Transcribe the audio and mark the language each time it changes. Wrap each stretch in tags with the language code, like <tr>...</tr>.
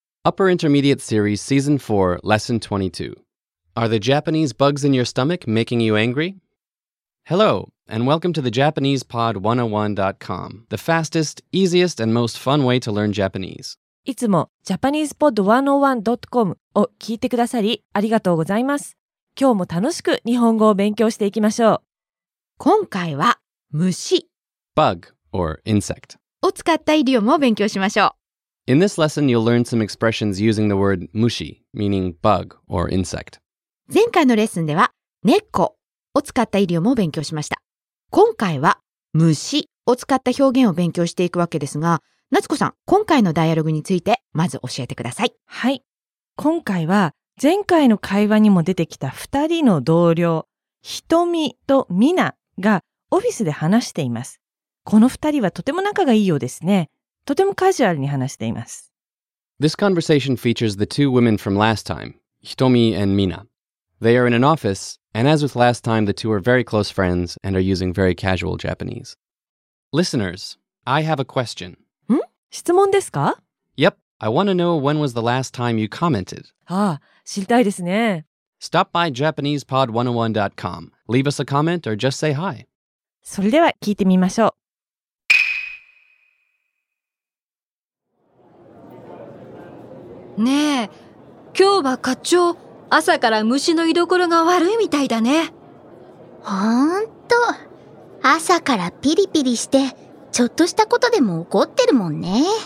<en>Upper Intermediate Series Season 4, Lesson 22. Are the Japanese bugs in your stomach making you angry? Hello, and welcome to the JapanesePod101.com, the fastest, easiest, and most fun way to learn Japanese.</en> <ja>いつも JapanesePod101.com を聞いてくださりありがとうございます。今日も楽しく日本語を勉強していきましょう。今回は虫</ja> <en>Bug or insect.</en> <ja>を使ったイディオムを勉強しましょう。</ja> <en>In this lesson, you'll learn some expressions using the word 虫, meaning bug or insect.</en> <ja>前回のレッスンでは、猫を使ったイディオムを勉強しました。今回は、虫を使った表現を勉強していくわけですが、夏子さん、今回のダイアログについて、まず教えてください。はい。今回は、前回の会話にも出てきた2人の同僚、ひとみとみながオフィスで話しています。この二人はとても仲がいいようですね。とてもカジュアルに話しています。</ja> <en>This conversation features the two women from last time, Hitomi and Mina. They are in an office, and as with last time, the two are very close friends and are using very casual Japanese. Listeners, I have a question.</en> <ja>ん?質問ですか?</ja> <en>Yep, I want to know when was the last time you commented.</en> <ja>ああ、知りたいですね。</ja> <en>Stop by JapanesePod101.com. Leave us a comment or just say hi.</en> <ja>それでは聞いてみましょう。ねえ、今日は課長、朝から虫の居所が悪いみたいだね。ほんと、朝からピリピリしてちょっとしたことでも怒ってるもんね。</ja>